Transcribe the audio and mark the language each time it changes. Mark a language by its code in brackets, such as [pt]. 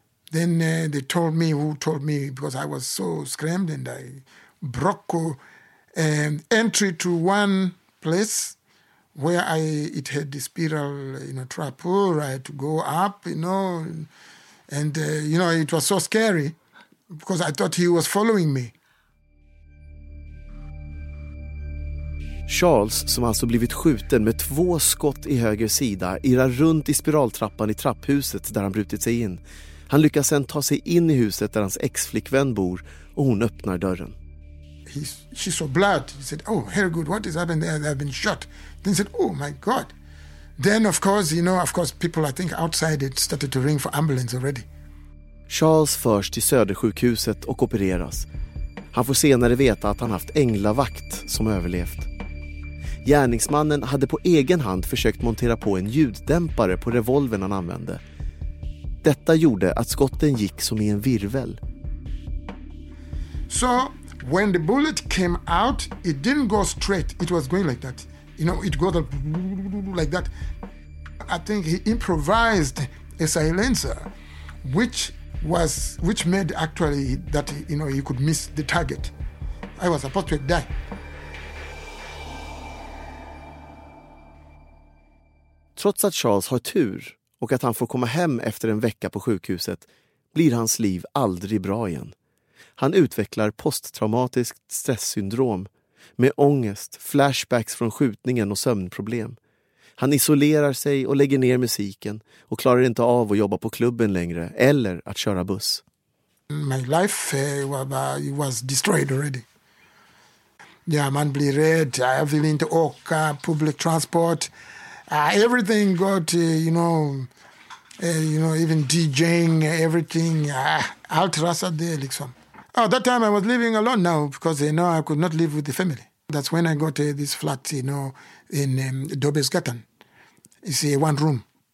[en] Then they told me, who told me, because I was so scrammed and I broke entry to one place where it had the spiral, you know, trap, right, to go up, you know. And, you know, it was so scary because I thought he was following me. [sv] Charles, som alltså blivit skjuten med två skott i höger sida, irrar runt i spiraltrappan i trapphuset där han brutit sig in. Han lyckas sen ta sig in i huset där hans ex-flickvän bor och hon öppnar dörren. [en] She saw blood. She said, "Oh, very good. What has happened there? They have been shot." Then said, "Oh my god." Then, of course, you know, of course, people, I think, outside it started to ring for ambulance already. [sv] Charles förs till Södersjukhuset och opereras. Han får senare veta att han haft änglavakt som överlevt. Gärningsmannen hade på egen hand försökt montera på en ljuddämpare på revolvern han använde. Detta gjorde att skotten gick som i en virvel. [en] So when the bullet came out, it didn't go straight. It was going like that. You know, it goes like that. I think he improvised a silencer, which made actually that, you know, he could miss the target. I was supposed to die. [sv] Trots att Charles har tur och att han får komma hem efter en vecka på sjukhuset blir hans liv aldrig bra igen. Han utvecklar posttraumatiskt stresssyndrom med ångest, flashbacks från skjutningen och sömnproblem. Han isolerar sig och lägger ner musiken och klarar inte av att jobba på klubben längre eller att köra buss. [en] My life was destroyed already. [sv] Ja, man blir rädd. Jag vill inte åka [en] public transport. Everything got, you know, even DJing, everything. [sv] Allt rasade liksom. [en] Oh, that time I was living alone now because, you know, I could not live with the family. That's when I got this flat, you know, in Dobbelsgatan. You see, one room.